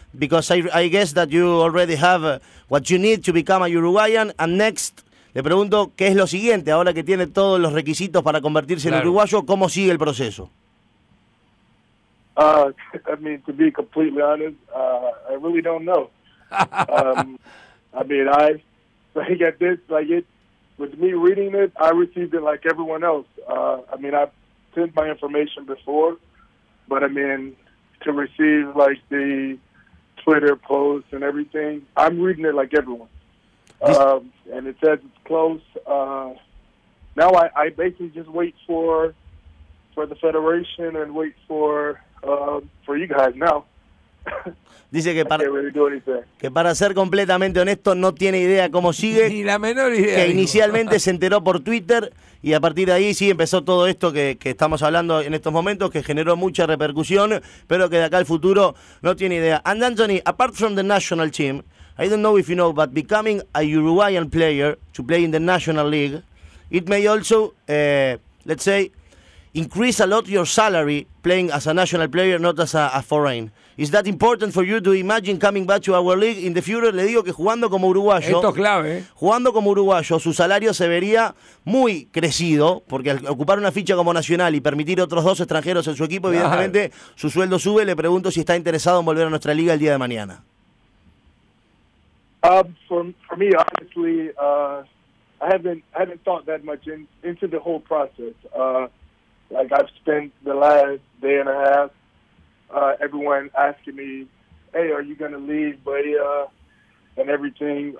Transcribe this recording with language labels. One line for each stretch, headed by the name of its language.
English: Because I guess that you already have what you need to become a Uruguayan. And next,
Spanish: le pregunto, ¿qué es lo siguiente? Ahora que tiene todos los requisitos para convertirse, claro, en uruguayo, ¿cómo sigue el proceso?
English: I mean, to be completely honest, I really don't know. I mean, with me reading it, I received it like everyone else. I mean, I've sent my information before, but I mean, to receive like the Twitter posts and everything, I'm reading it like everyone. And it says it's close. Now I basically just wait for the Federation and wait for you guys now.
Spanish: Dice que para ser completamente honesto no tiene idea cómo sigue. Ni la menor idea. Que inicialmente se enteró por Twitter y a partir de ahí sí empezó todo esto que estamos hablando en estos momentos, que generó mucha repercusión, pero que de acá al futuro no tiene idea.
English: And Anthony, apart from the national team, I don't know if you know, but becoming a Uruguayan player to play in the National League, it may also, let's say, increase a lot your salary playing as a national player, not as a foreign. Is that important for you to imagine coming back to our league in the future?
Spanish: Le digo que jugando como uruguayo... Esto es clave. Jugando como uruguayo, su salario se vería muy crecido, porque al ocupar una ficha como nacional y permitir otros dos extranjeros en su equipo, evidentemente, ajá, su sueldo sube. Le pregunto si está interesado en volver a nuestra liga el día de mañana.
English: For me, honestly, I haven't thought that much into the whole process. Like, I've spent the last day and a half everyone asking me, hey, are you going to leave Bahia and everything.